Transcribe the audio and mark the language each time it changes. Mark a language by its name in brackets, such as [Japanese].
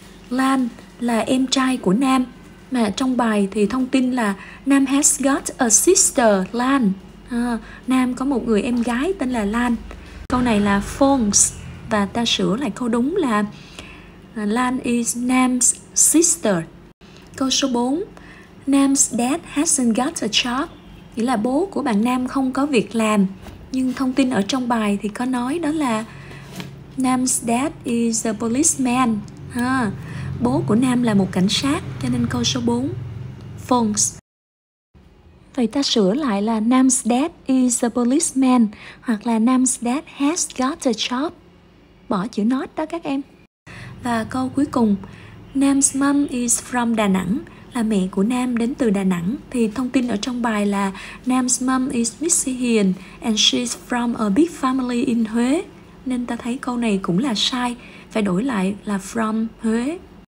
[Vietnamese] Lan là em trai của Nam. Mà trong bài thì thông tin là [English] Nam has got a sister, Lan. [Vietnamese] Nam có một người em gái tên là Lan. Câu này là false. Và ta sửa lại câu đúng là [English] Lan is Nam's sister. [Vietnamese] Câu số 4, [English] Nam's dad hasn't got a job. [Vietnamese] Nghĩa là bố của bạn Nam không có việc làm. Nhưng thông tin ở trong bài thì có nói đó là [English] Nam's dad is a policeman. [Vietnamese] Bố của Nam là một cảnh sát. Cho nên câu số 4, false. Vậy ta sửa lại là [English] Nam's dad is a policeman. [Vietnamese] Hoặc là [English] Nam's dad has got a job. [Vietnamese] Bỏ chữ not đó các em. Và câu cuối cùng, [English] Nam's mom is from Đà Nẵng, [Vietnamese] là mẹ của Nam đến từ Đà Nẵng. Thì thông tin ở trong bài là [English] Nam's mom is Miss Hiền and she's from a big family in Huế. [Vietnamese] Nên ta thấy câu này cũng là sai, phải đổi lại là from Huế.